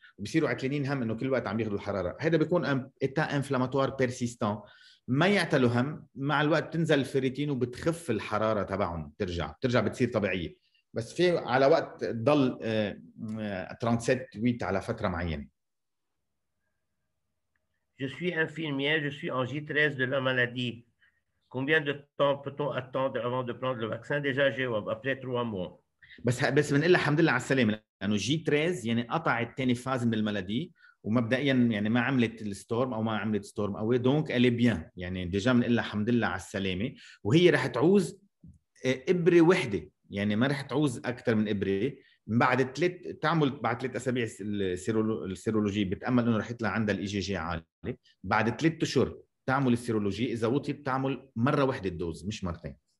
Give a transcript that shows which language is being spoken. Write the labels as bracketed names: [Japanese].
[Arabic] بصيروا عكلينين هم انه كل وقت عم بياخذوا الحراره هذا بيكون [French] ايتا انفلاماتوار بيرسيستان [Arabic] ما يعتلوا هم مع الوقت تنزل الفيريتين وبتخف الحراره تبعهم ترجع بتصير طبيعيه بس في على وقت ضل 37.8 على فتره معينه. [French] Je suis infirmière, je suis en J13 de la maladie. Combien de temps peut-on attendre avant de prendre le vaccin? Déjà j'ai après 3 mois. [Arabic] بس بنقول الحمد لله على السلامه لانه جي 13 يعني قطعت ثاني فاز من المالادي ومبدئيا يعني ما عملت [French] ستورم او دونك الي بيان [Arabic] يعني ديجا بنقول الحمد لله على السلامه وهي رح تعوز ابره وحده يعني ما رح تعوز اكثر من ابره بعد ثلاث اسابيع السيرولوجي بتامل انه رح يطلع عندها الاي جي جي عالي بعد ثلاث اشهر تعمل السيرولوجي اذا وطي بتعمل مره وحده الدوز مش مرتين.